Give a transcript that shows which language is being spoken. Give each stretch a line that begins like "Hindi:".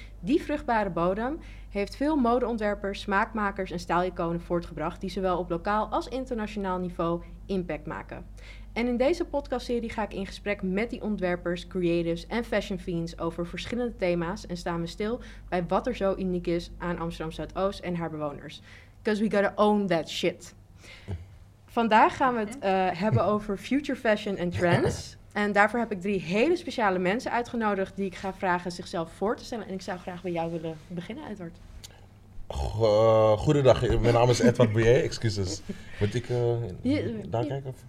Dutch: Die vruchtbare bodem heeft veel modeontwerpers, smaakmakers en stijliconen voortgebracht die zowel op lokaal als internationaal niveau impact maken. En in deze podcastserie ga ik in gesprek met die ontwerpers, creatives en fashion fiends over verschillende thema's en staan we stil bij wat er zo uniek is aan Amsterdam Zuidoost en haar bewoners.
English: 'Cause we gotta own that shit.
Dutch: Vandaag gaan we het hebben over future fashion en trends. En daarvoor heb ik drie hele speciale mensen uitgenodigd die ik ga vragen zichzelf voor te stellen. En ik zou graag bij jou willen beginnen, Edward. Goedendag, mijn naam is Edward Boyer, excuses. Moet ik daar kijken?